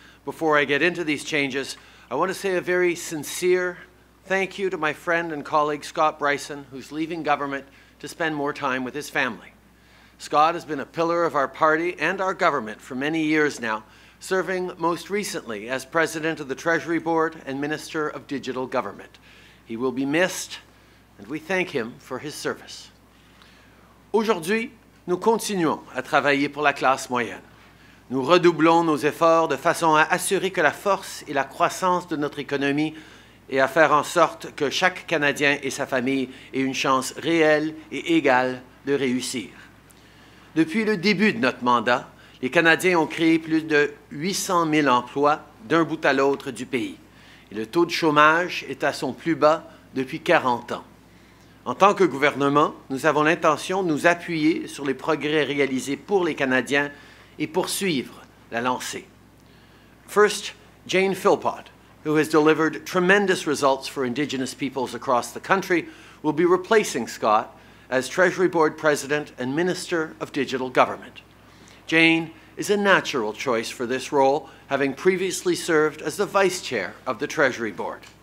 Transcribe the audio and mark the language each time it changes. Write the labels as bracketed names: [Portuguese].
[English] Before I get into these changes, I want to say a very sincere thank you to my friend and colleague Scott Bryson, who's leaving government to spend more time with his family. Scott has been a pillar of our party and our government for many years now, serving most recently as President of the Treasury Board and Minister of Digital Government. He will be missed, and we thank him for his service. [French] Aujourd'hui, nous continuons à travailler pour la classe moyenne. Nous redoublons nos efforts de façon à assurer que la force et la croissance de notre économie et à faire en sorte que chaque Canadien et sa famille aient une chance réelle et égale de réussir. Depuis le début de notre mandat, les Canadiens ont créé plus de 800 000 emplois d'un bout à l'autre du pays. Et le taux de chômage est à son plus bas depuis 40 ans. En tant que gouvernement, nous avons l'intention de nous appuyer sur les progrès réalisés pour les Canadiens et poursuivre la lancée. [English] First, Jane Philpott, who has delivered tremendous results for Indigenous peoples across the country, will be replacing Scott as Treasury Board President and Minister of Digital Government. Jane is a natural choice for this role, having previously served as the Vice Chair of the Treasury Board.